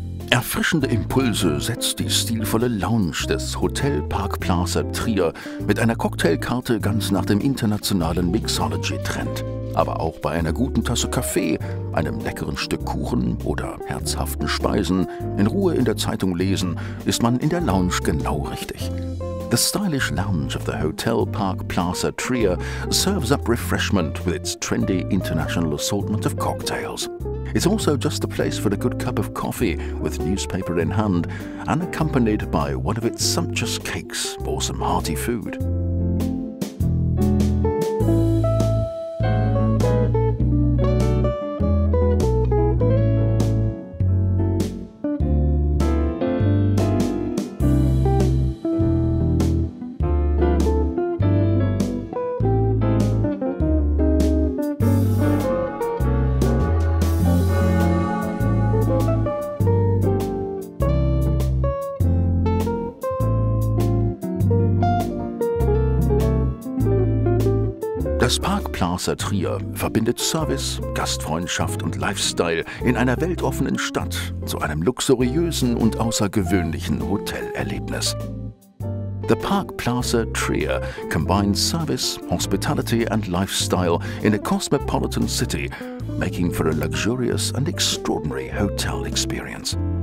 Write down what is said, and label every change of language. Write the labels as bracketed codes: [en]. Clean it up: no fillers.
[de] Erfrischende Impulse setzt die stilvolle Lounge des Hotel Park Plaza Trier mit einer Cocktailkarte ganz nach dem internationalen Mixology-Trend. Aber auch bei einer guten Tasse Kaffee, einem leckeren Stück Kuchen oder herzhaften Speisen, in Ruhe in der Zeitung lesen, ist man in der Lounge genau richtig. [en] The stylish lounge of the Hotel Park Plaza Trier serves up refreshment with its trendy international assortment of cocktails. It's also just the place for a good cup of coffee with newspaper in hand and accompanied by one of its sumptuous cakes or some hearty food. [de] Das Park Plaza Trier verbindet Service, Gastfreundschaft und Lifestyle in einer weltoffenen Stadt zu einem luxuriösen und außergewöhnlichen Hotelerlebnis. [en] The Park Plaza Trier combines service, hospitality and lifestyle in a cosmopolitan city, making for a luxurious and extraordinary hotel experience.